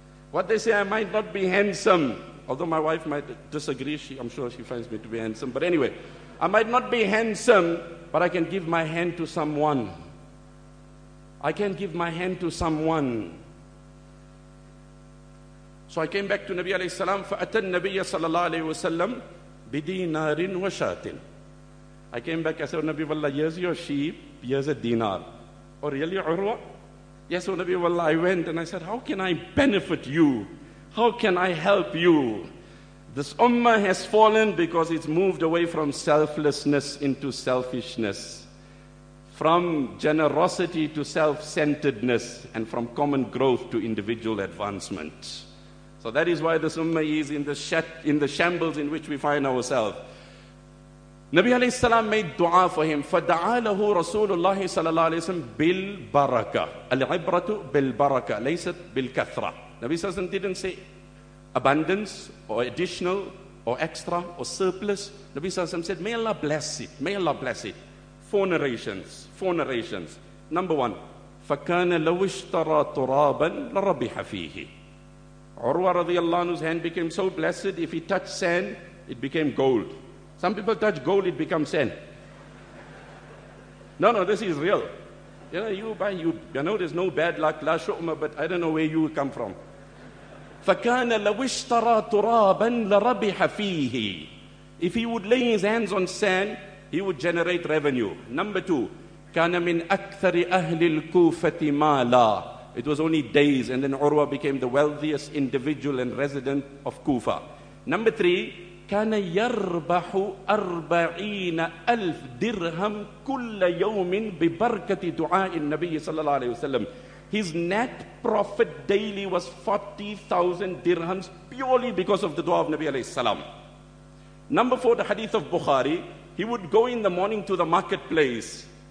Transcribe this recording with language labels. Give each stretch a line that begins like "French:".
English: What they say, I might not be handsome. Although my wife might disagree. I'm sure she finds me to be handsome. But anyway, I might not be handsome, but I can give my hand to someone. I can give my hand to someone. So I came back to Nabi alayhi salam.
Arabic: فأتى النبي صلى الله عليه وسلم بدينار وشاتين.
English: I came back, I said, oh, Nabi of Allah, here's your sheep, here's a dinar. Oh, really, Urwa? Yes, oh, Nabi of Allah, I went and I said, how can I benefit you? How can I help you? This ummah has fallen because it's moved away from selflessness into selfishness, from generosity to self-centeredness, and from common growth to individual advancement. So that is why this ummah is in the shambles in which we find ourselves. Nabi alayhi salam made dua for him.
Arabic: فَدَعَى لَهُ رَسُولُ اللَّهِ صَلَى اللَّهِ عَلَيْهِ وَسَلَمْ بِالْبَرَكَةِ. الْعِبْرَةُ بِالْبَرَكَةِ لَيْسَتْ بِالْكَثْرَةِ.
English: Nabi alayhi salam didn't say abundance or additional or extra or surplus. Nabi alayhi salam said, may Allah bless it. May Allah bless it. Four narrations. Number one,
Arabic: فَكَانَ لَوِ اشْتَرَى تُرَابًا لَرَبِّحَ فِيهِ.
English: عُرْوَى رَضِيَ اللَّهُ عَنْهُ's hand became so blessed, if he touched sand, it became gold. Some people touch gold, it becomes sand. No, this is real. You know, you know there's no bad luck, la shu'ma, but I don't know where you come from.
Arabic: فَكَانَ لَوِشْتَرَى تُرَابًا لَرَبِحَ فِيهِ.
English: If he would lay his hands on sand, he would generate revenue. Number two,
Arabic: كَانَ مِنْ أَكْثَرِ أَهْلِ الْكُوفَةِ مَالًا.
English: It was only days, and then Urwa became the wealthiest individual and resident of Kufa. Number three,
Arabic: كَانَ يَرْبَحُ 40,000 dirham كُلَّ يَوْمٍ بِبَرْكَةِ دُعَاءِ النَّبِيِّ صلى الله عليه وسلم.
English: His net profit daily was 40,000 dirhams purely because of the dua of Nabi alayhi salam. Number four, the hadith of Bukhari, he would go in the morning to the marketplace.